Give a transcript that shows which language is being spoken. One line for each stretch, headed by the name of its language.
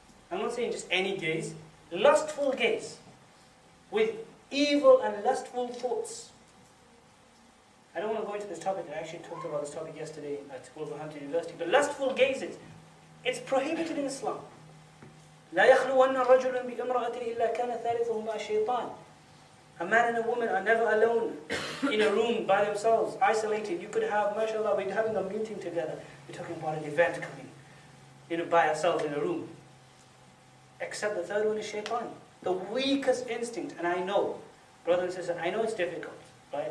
English: I'm not saying just any gaze. Lustful gaze. With evil and lustful thoughts. I don't want to go into this topic. I actually talked about this topic yesterday at Wolverhampton University. But lustful gazes, it's prohibited in Islam.
Arabic: لا يخلوانا رجلا بامرأة إلا كان ثالثهما شيطان.
English: A man and a woman are never alone in a room by themselves, isolated. You could have, mashallah, we're having a meeting together. We're talking about an event coming, you know, by ourselves in a room. Except the third one is shaitan. The weakest instinct. And I know, brothers and sisters, I know it's difficult. Right?